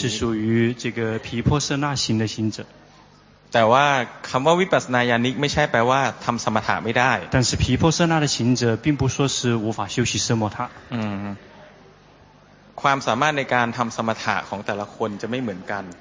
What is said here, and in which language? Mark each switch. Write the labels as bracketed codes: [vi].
[zh] 是属于这个毗婆舍那行的行者 [th] แต่ว่าคำว่าวิปัสสนาญาณิไม่ใช่แปลว่าทำสมถะไม่ได้ [zh] 但是毗婆舍那的行者并不说是无法修习奢摩他 [th] ความสามารถในการทำสมถะของแต่ละคนจะไม่เหมือนกัน